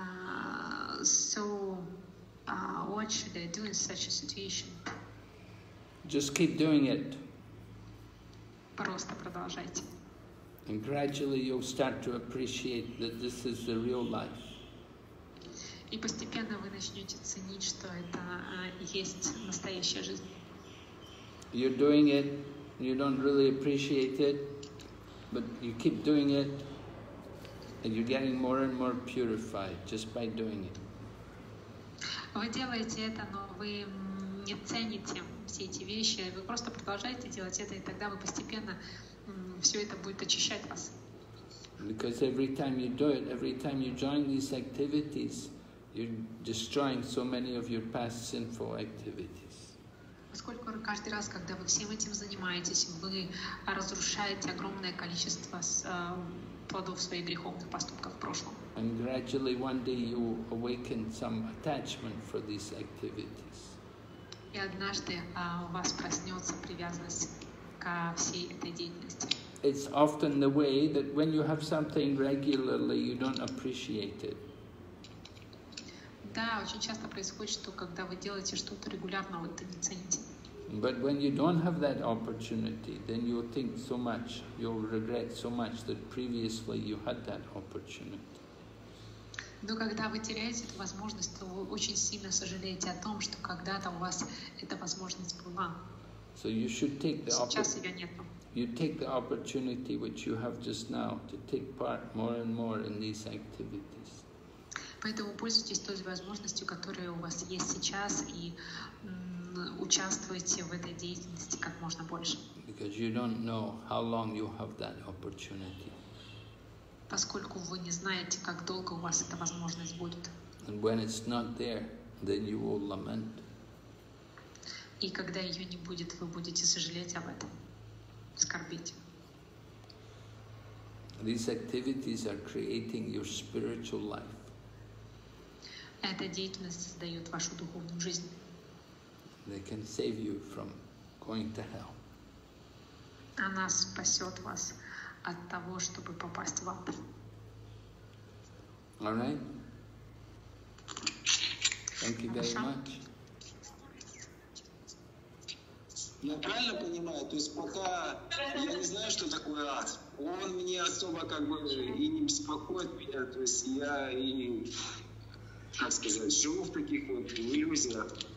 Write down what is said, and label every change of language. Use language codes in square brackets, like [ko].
[en] What should I do in such a situation? Just keep doing it. [ru] Просто продолжайте. [en] And gradually you'll start to appreciate that this is the real life. [ru] И постепенно вы начнете ценить, что это есть настоящая жизнь. [en] You're doing it, you don't really appreciate it, but you keep doing it, and you're getting more and more purified just by doing it. [ru] Вы делаете это, но вы не цените все эти вещи, вы просто продолжаете делать это, и тогда вы постепенно все это будет очищать вас. [en] Because every time you do it, every time you join these activities, you're destroying so many of your past sinful activities. [ru] Поскольку каждый раз, когда вы всем этим занимаетесь, вы разрушаете огромное количество плодов своих греховных поступков в прошлом. [en] And gradually one day you awaken some attachment for these activities. [ru] И однажды у вас проснется привязанность ко всей этой деятельности. [en] It's often the way that when you have something regularly, you don't appreciate it. [ru] Да, очень часто происходит, что когда вы делаете что-то регулярно, вы это не цените. [en] But when you don't have that opportunity, then you'll think so much, you'll regret so much that previously you had that opportunity. [ru] Но когда вы теряете эту возможность, то вы очень сильно сожалеете о том, что когда-то у вас эта возможность была. [en] So you should take the opportunity. [ru] Сейчас её нету. [en] You take the opportunity which you have just now to take part more and more in these activities. [ru] Поэтому пользуйтесь той возможностью, которая у вас есть сейчас, и участвуйте в этой деятельности как можно больше. [en] Because you don't know how long you have that opportunity. [ru] Поскольку вы не знаете, как долго у вас эта возможность будет. [en] And when it's not there, then you will lament. [ru] И когда ее не будет, вы будете сожалеть об этом. [en] These activities are creating your spiritual life. [ru] Эта деятельность создает вашу духовную жизнь. [en] They can save you from going to hell. [ru] Она спасет вас от того, чтобы попасть в ад. [en] All right. Thank you very much. [ru] Я правильно понимаю, то есть пока я не знаю, что такое ад, он мне особо как бы и не беспокоит меня, то есть я и, как сказать, живу в таких вот иллюзиях.